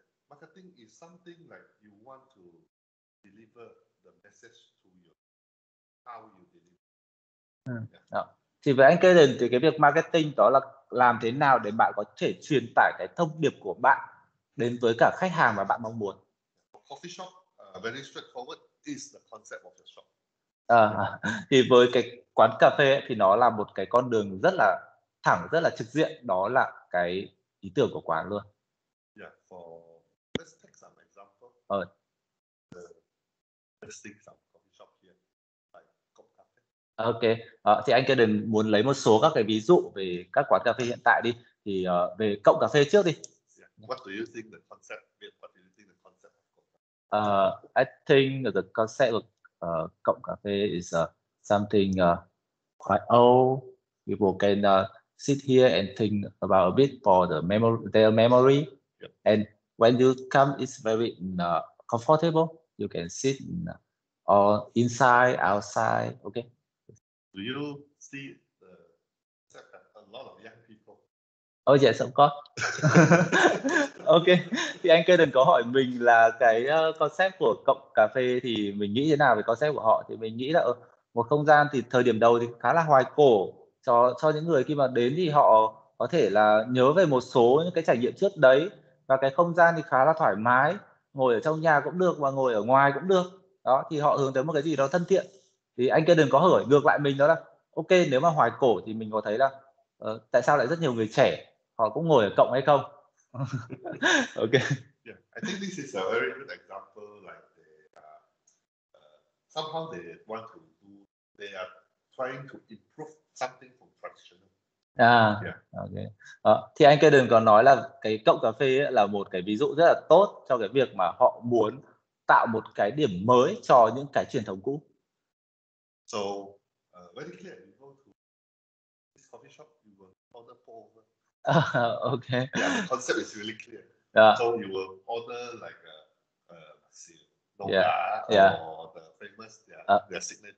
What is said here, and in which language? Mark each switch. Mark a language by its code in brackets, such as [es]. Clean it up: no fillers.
[en] Marketing is something like you want to deliver the message to you, how you deliver. [vi] Thì với anh Kaden thì cái việc marketing đó là làm thế nào để bạn có thể truyền tải cái thông điệp của bạn đến với cả khách hàng mà bạn mong muốn. [en] Coffee shop, very straightforward, is the concept of the shop. [vi] Thì với cái quán cà phê ấy, thì nó là một cái con đường rất là thẳng, rất là trực diện, đó là cái ý tưởng của quán luôn. [en] Yeah, for let's take some example. Let's take some coffee shop here, like cốc cà phê. [vi] Okay, thì anh Kaden muốn lấy một số các cái ví dụ về các quán cà phê hiện tại đi, thì về cốc cà phê trước đi. [en] Yeah. What do you think the concept? What do you think the concept of cốc cà phê? I think the concept of cốc cà phê is something quite old. People can sit here and think about a bit for the their memory. Yep. And when you come, it's very comfortable. You can sit all inside, outside. Okay. Do you see a lot of young people? Oh yes, of course. Okay. [vi] Thì anh Kaden có hỏi mình là cái concept của cốc cà phê thì mình nghĩ thế nào về concept của họ, thì mình nghĩ là một không gian thì thời điểm đầu thì khá là hoài cổ cho những người khi mà đến thì họ có thể là nhớ về một số những cái trải nghiệm trước đấy, và cái không gian thì khá là thoải mái, ngồi ở trong nhà cũng được và ngồi ở ngoài cũng được. Đó, thì họ hướng tới một cái gì đó thân thiện. Thì anh Kaden có hỏi ngược lại mình đó là ok, nếu mà hoài cổ thì mình có thấy là tại sao lại rất nhiều người trẻ họ cũng ngồi ở cổng hay không? [en] Ok. Yeah, I think this is a very good example, like somehow they want to do, they are trying to improve something from traditional. Okay. [vi] Thì anh Kaden còn nói là cái cốc cà phê ấy là một cái ví dụ rất là tốt cho cái việc mà họ muốn tạo một cái điểm mới cho những cái truyền thống cũ. [en] So, very clear, you go to this coffee shop, you will order pour over. Okay. Yeah, the concept is really clear. Yeah. So you will order like or the famous their signature